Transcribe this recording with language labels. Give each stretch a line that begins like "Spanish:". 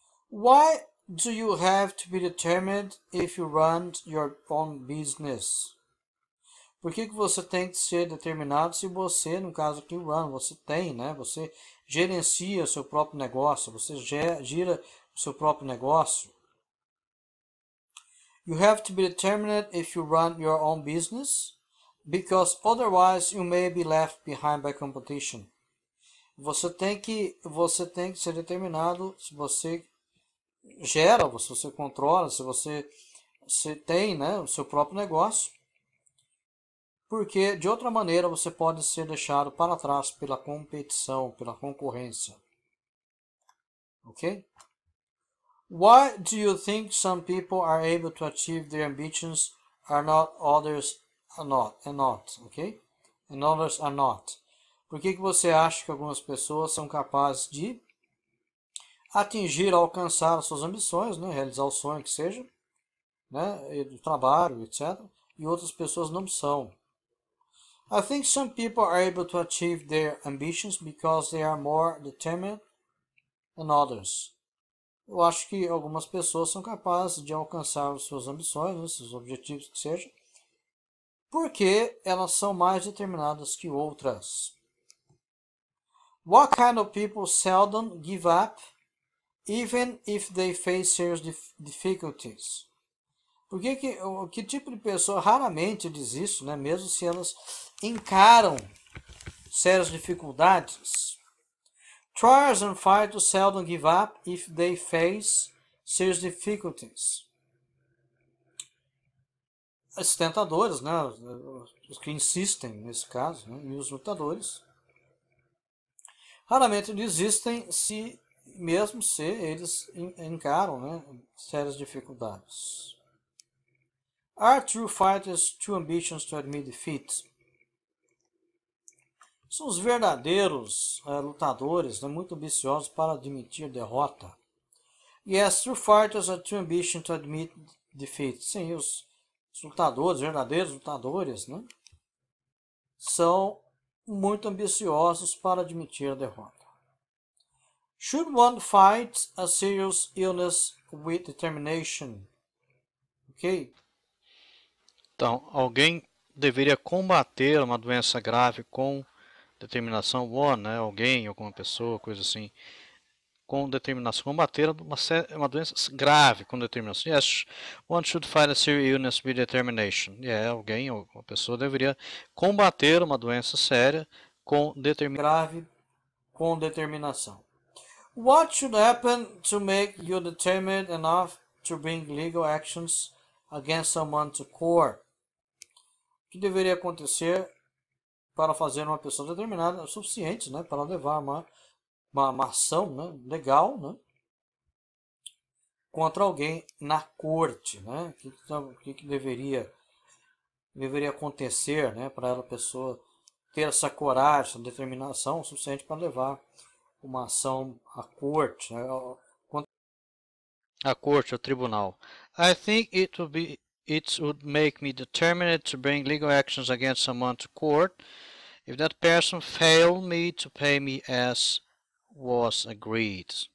English: Why do you have to be determined if you run your own business?
Portuguese: Por que que você tem que ser determinado se você, no caso aqui, run, você tem, né? Você gerencia o seu próprio negócio, você gira o seu próprio negócio.
English: You have to be determined if you run your own business, because otherwise you may be left behind by competition.
Portuguese: Você tem que ser determinado se você gera, se você controla, se você tem, né, o seu próprio negócio. Porque de outra maneira você pode ser deixado para trás pela competição, pela concorrência. Ok?
English: Why do you think some people are able to achieve their ambitions and not others are not? Okay? And others are not.
Portuguese: Por que que você acha que algumas pessoas são capazes de atingir, alcançar as suas ambições, né? Realizar o sonho que seja, né? Do trabalho, etc. E outras pessoas não são.
English: I think some people are able to achieve their ambitions because they are more determined than others.
Portuguese: Eu acho que algumas pessoas são capazes de alcançar as suas ambições, né, seus objetivos que sejam, porque elas são mais determinadas que outras.
English: What kind of people seldom give up, even if they face serious difficulties?
Portuguese: Que tipo de pessoa raramente desiste, né, mesmo se elas encaram sérias dificuldades?
English: Trials and fights seldom give up if they face serious difficulties.
Portuguese: Os tentadores, né? Os que insistem nesse caso, né? E os lutadores, raramente desistem se mesmo se eles encaram, né, sérias dificuldades.
English: Are true fighters too ambitious to admit defeat?
Portuguese: São os verdadeiros lutadores, né, muito ambiciosos para admitir derrota.
English: Yes, true fighters are too ambitious to admit defeat.
Portuguese: Sim, os lutadores, verdadeiros lutadores, né, são muito ambiciosos para admitir derrota.
English: Should one fight a serious illness with determination? Ok?
Portuguese: Então, alguém deveria combater uma doença grave com determinação, one, né? Alguém, alguma pessoa, coisa assim, com determinação, combater uma doença grave com determinação.
English: Yes, one should fight a serious illness with determination.
Portuguese: Alguém, uma pessoa deveria combater uma doença séria com determinação. Grave com determinação.
English: What should happen to make you determined enough to bring legal actions against someone to court?
Portuguese: O que deveria acontecer para fazer uma pessoa determinada o suficiente, né, para levar uma ação, né, legal, né, contra alguém na corte, né? O que deveria acontecer, né, para ela pessoa ter essa coragem, essa determinação o suficiente para levar uma ação à corte, né? A corte, o tribunal.
English: I think it would make me determined to bring legal actions against someone to court if that person failed me to pay me as was agreed.